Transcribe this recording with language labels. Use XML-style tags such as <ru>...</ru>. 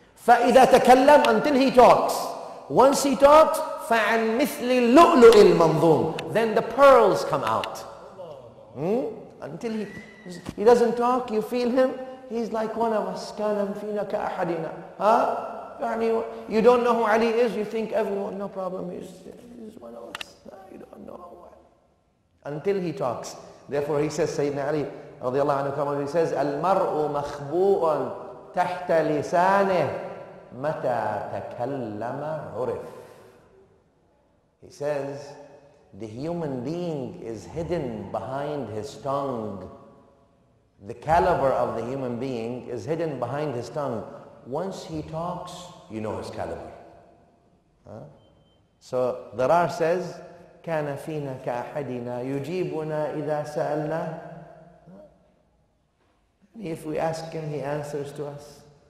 <ar>فَإِذَا تَكَلَّمْ</ar> <en>until he talks. Once he talks,</en> <ar>فَعَنْ مِثْلِ لُؤْلُؤِ الْمَنْظُومِ</ar> <en>then the pearls come out. Until he doesn't talk, you feel him. He's like one of us.</en> <ar>كَلَمْ فِينَا كَأَحَدِنَا</ar> <en>يعني, you don't know who Ali is, you think everyone, no problem, he's one of us. You don't know who Ali is. Until he talks. Therefore he says, Sayyidina Ali,</en> <ar>رضي الله عنه كما</ar> <en>he says,</en> <ar>المرء مخبوء تحت لسانه متى تكلم عرف.</ar> <en>He says, the human being is hidden behind his tongue. The caliber of the human being is hidden behind his tongue. Once he talks, you know his caliber. So Darar says,</en> <ar>كان فينا كأحدنا يجيبنا إذا سألنا.</ar> <en>If we ask him, he answers to us.</en>